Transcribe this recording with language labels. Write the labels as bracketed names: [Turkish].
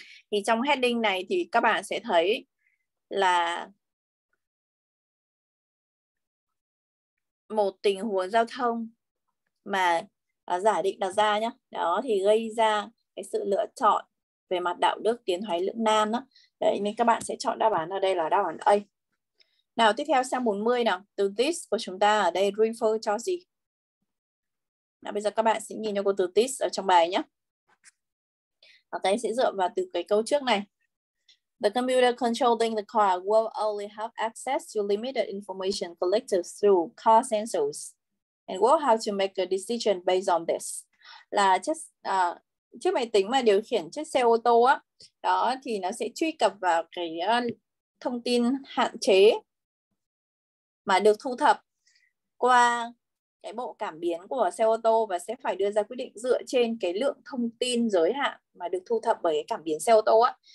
[Vietnamese] Thì trong heading này thì các bạn sẽ thấy là một tình huống giao thông mà giả định đặt ra nhá, đó thì gây ra cái sự lựa chọn về mặt đạo đức tiến thoái lưỡng nan đó. Đấy, nên các bạn sẽ chọn đáp án ở đây là đáp án A. Nào, tiếp theo sang 40 nào. Từ this của chúng ta ở đây refer cho gì? Nào, bây giờ các bạn sẽ nhìn cho cô từ this ở trong bài nhé. Ở đây sẽ dựa vào từ cái câu trước này. [English] The computer controlling the car will only have access to limited information collected through car sensors and we'll have to make a decision based on this. [Vietnamese] Là chiếc máy tính mà điều khiển chiếc xe ô tô á, đó thì nó sẽ truy cập vào cái thông tin hạn chế mà được thu thập qua cái bộ cảm biến của xe ô tô và sẽ phải đưa ra quyết định dựa trên cái lượng thông tin giới hạn mà được thu thập bởi cái cảm biến xe ô tô á.